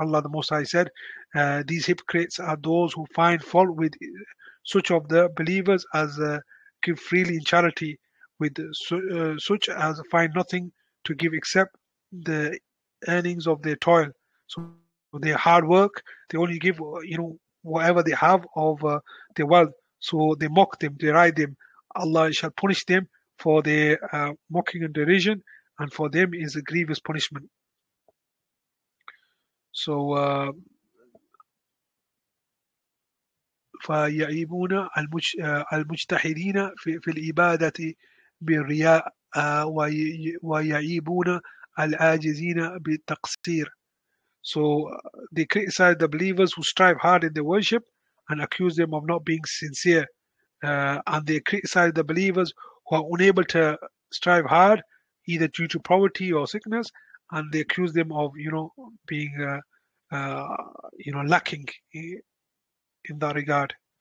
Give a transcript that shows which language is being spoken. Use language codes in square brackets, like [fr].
[en] Allah the Most High said, these hypocrites are those who find fault with such of the believers as give freely in charity, with such as find nothing to give except the earnings of their toil. So their hard work, they only give, you know, whatever they have of their wealth. So they mock them, they deride them. Allah shall punish them for their mocking and derision, and for them is a grievous punishment. [ar] So فيعيبون المجتهدين في العبادة بالرياء ويعيبون العاجزين بالتقصير. [en] So they criticize the believers who strive hard in their worship and accuse them of not being sincere. And they criticize the believers who are unable to strive hard, either due to poverty or sickness, and they accuse them of, you know, being you know, lacking in that regard.